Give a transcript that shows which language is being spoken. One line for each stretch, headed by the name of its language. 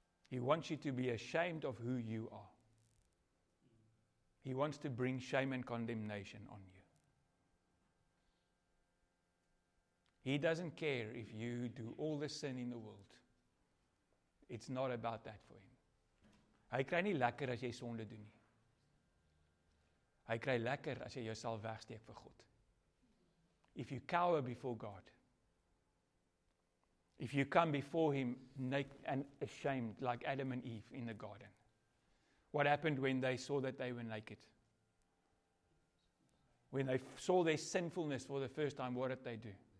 English: He wants you to be ashamed of who you are. He wants to bring shame and condemnation on you. He doesn't care if you do all the sin in the world. It's not about that for him.
Afrikaans: Hy kry nie lekker as jy sonde doen nie. Hy kry lekker as jy jouself wegsteek vir God.
English: If you cower before God, if you come before Him naked and ashamed like Adam and Eve in the garden, what happened when they saw that they were naked? When they saw their sinfulness for the first time, what did they do?